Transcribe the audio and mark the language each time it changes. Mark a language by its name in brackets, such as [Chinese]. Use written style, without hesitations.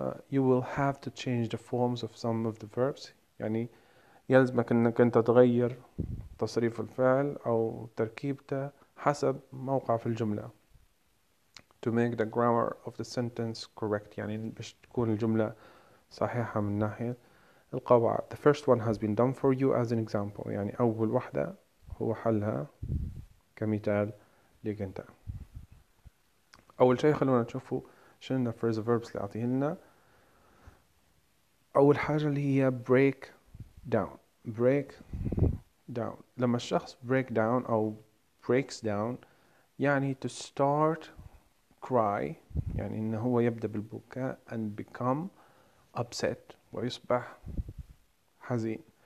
[English] You will have to change the forms of some of the verbs. [Arabic] يعني يلزمك انك انت تغير تصريف الفعل او تركيبته حسب موقع في الجملة. [English] To make the grammar of the sentence correct. [Arabic] يعني باش تكون الجملة صحيحة من ناحية القواعد. [English] The first one has been done for you as an example. [Arabic] يعني اول واحدة هو حلها كمثال ليك انت. اول شيء خلونا نشوفه شنو phrasal verbs اللي أعطيه لنا. أول حاجة اللي هي break down. [English] break down [Arabic] لما الشخص [English] break down أو breaks down يعني to start cry, [Arabic] يعني إنه هو يبدأ بالبكاء, [English] and become upset [Arabic] ويصبح حزين.